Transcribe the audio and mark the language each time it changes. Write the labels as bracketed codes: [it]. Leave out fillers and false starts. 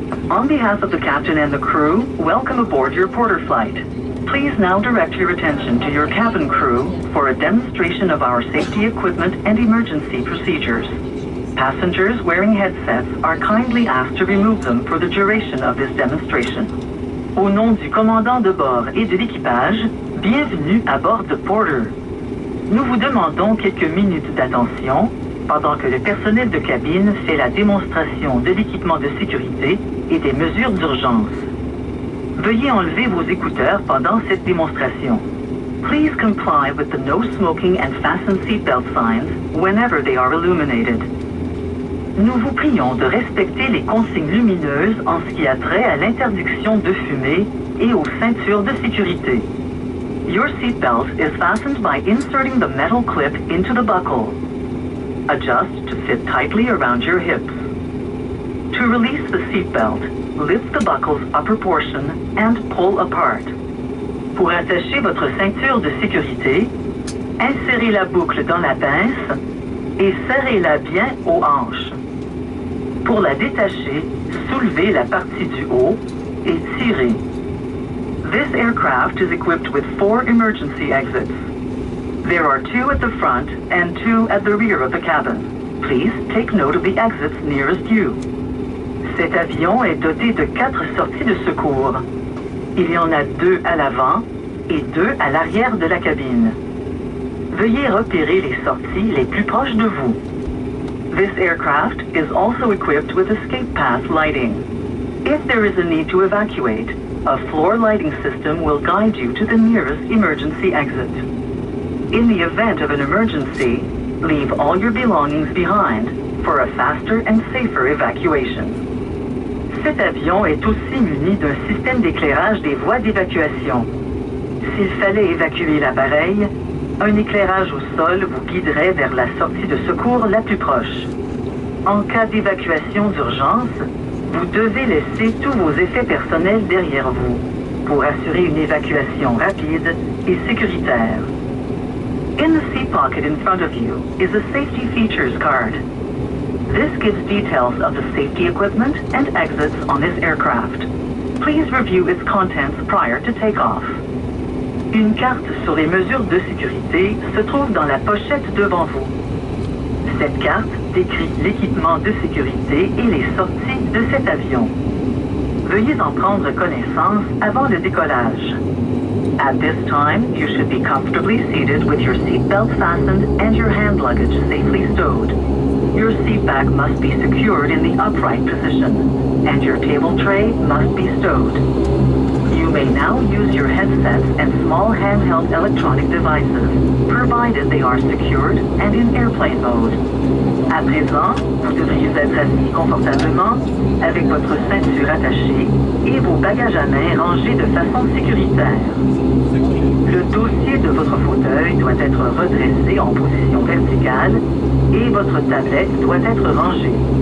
[en] On behalf of the captain and the crew, welcome aboard your Porter flight. Please now direct your attention to your cabin crew for a demonstration of our safety equipment and emergency procedures. Passengers wearing headsets are kindly asked to remove them for the duration of this demonstration. [fr] Au nom du commandant de bord et de l'équipage, bienvenue à bord de Porter. Nous vous demandons quelques minutes d'attention pendant que le personnel de cabine fait la démonstration de l'équipement de sécurité et des mesures d'urgence. Veuillez enlever vos écouteurs pendant cette démonstration. [en] Please comply with the no smoking and fasten seatbelt signs whenever they are illuminated. [fr] Nous vous prions de respecter les consignes lumineuses en ce qui a trait à l'interdiction de fumer et aux ceintures de sécurité. [en] Your seatbelt is fastened by inserting the metal clip into the buckle. Adjust to fit tightly around your hips. To release the seatbelt, lift the buckle's upper portion and pull apart. [fr] Pour attacher votre ceinture de sécurité, insérez la boucle dans la pince et serrez-la bien aux hanches. Pour la détacher, soulevez la partie du haut et tirez. [en] This aircraft is equipped with 4 emergency exits. There are 2 at the front and 2 at the rear of the cabin. Please take note of the exits nearest you. [fr] Cet avion est doté de 4 sorties de secours. Il y en a 2 à l'avant et 2 à l'arrière de la cabine. Veuillez repérer les sorties les plus proches de vous. [en] This aircraft is also equipped with escape path lighting. If there is a need to evacuate, a floor lighting system will guide you to the nearest emergency exit. In the event of an emergency, leave all your belongings behind, for a faster and safer evacuation. [fr] Cet avion est aussi muni d'un système d'éclairage des voies d'évacuation. S'il fallait évacuer l'appareil, un éclairage au sol vous guiderait vers la sortie de secours la plus proche. En cas d'évacuation d'urgence, vous devez laisser tous vos effets personnels derrière vous pour assurer une évacuation rapide et sécuritaire. [en] In the seat pocket in front of you is a safety features card. This gives details of the safety equipment and exits on this aircraft. Please review its contents prior to takeoff. [fr] Une carte sur les mesures de sécurité se trouve dans la pochette devant vous. Cette carte décrit l'équipement de sécurité et les sorties de cet avion. Veuillez en prendre connaissance avant le décollage. [en] At this time, you should be comfortably seated with your seatbelt fastened and your hand luggage safely stowed. Your seat back must be secured in the upright position, and your table tray must be stowed. You may now use your headsets and small handheld electronic devices, provided they are secured and in airplane mode. [fr] À présent, vous devriez être assis confortablement, avec votre ceinture attachée et vos bagages à main rangés de façon sécuritaire. Le dossier de votre fauteuil doit être redressé en position verticale et votre tablette doit être rangée.